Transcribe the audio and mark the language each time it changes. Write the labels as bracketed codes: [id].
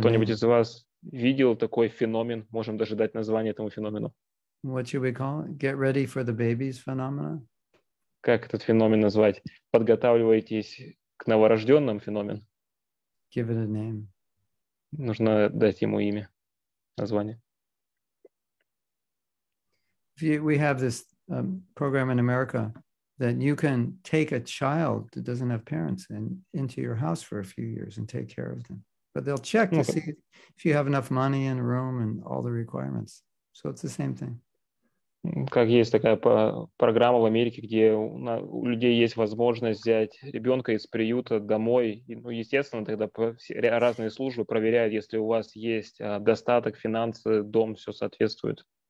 [ru] Кто-нибудь из вас видел такой феномен? Можем даже дать название этому феномену. [en] What should we call it? Get ready for the babies phenomena. [ru] Как этот феномен назвать? Подготавливайтесь к новорожденным феномен. [en] Give it a name. [ru] Нужно дать ему имя, название. [en] We have this program in America that you can take a child that doesn't have parents and into your house for a few years and take care of them. But they'll check to see if you have enough money and room and all the requirements. So it's the same thing. [ru] Как есть такая программа в Америке, где у людей есть возможность взять ребенка из приюта домой. И, ну, естественно, тогда разные службы проверяют, если у вас есть достаток, финансы, дом, все соответствует.